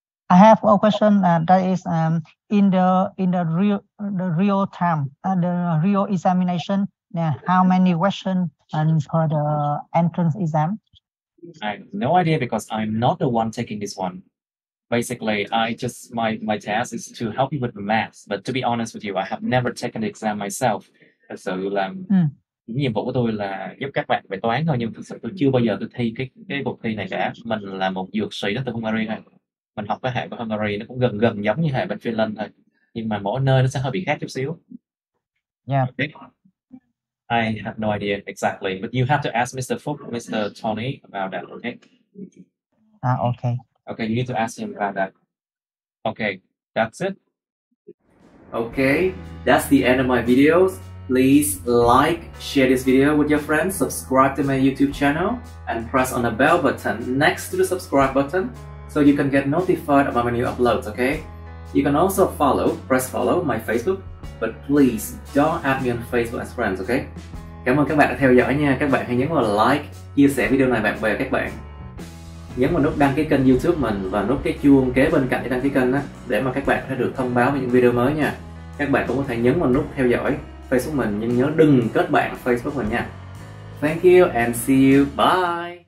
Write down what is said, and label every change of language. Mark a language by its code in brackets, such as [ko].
[en] I have a question that is in the real examination. How many questions and for the entrance exam? I have no idea because I'm not the one taking this one. Basically, I just my task is to help you with the math. But to be honest with you, I have never taken the exam myself. [vi] So nhiệm vụ của tôi là giúp các bạn về toán thôi. Nhưng thực sự tôi chưa bao giờ tôi thi cái cuộc thi này cả. Mình là một dược sĩ đó từ Hungary. Mình học cái hệ của Hungary nó cũng gần giống như hệ bên Finland thôi. Nhưng mà mỗi nơi nó sẽ hơi bị khác chút xíu. [en] Yeah. Okay. I have no idea exactly, but you have to ask Mr. Phúc, Mr. Tony about that, okay? Okay. Okay, you need to ask him about that. Okay, that's it. Okay, that's the end of my videos. Please like, share this video with your friends, subscribe to my YouTube channel, and press on the bell button next to the subscribe button so you can get notified about my new uploads, okay? You can also press follow my Facebook, but please don't add me on Facebook as friends, okay? [vi] Cảm ơn các bạn đã theo dõi nha. Các bạn hãy nhấn vào like, chia sẻ video này bạn bè các bạn. Nhấn vào nút đăng ký kênh YouTube mình và nút cái chuông kế bên cạnh để đăng ký kênh á, để mà các bạn có thể được thông báo về những video mới nha. Các bạn cũng có thể nhấn vào nút theo dõi Facebook mình, nhưng nhớ đừng kết bạn Facebook mình nha. [en] Thank you and see you. Bye!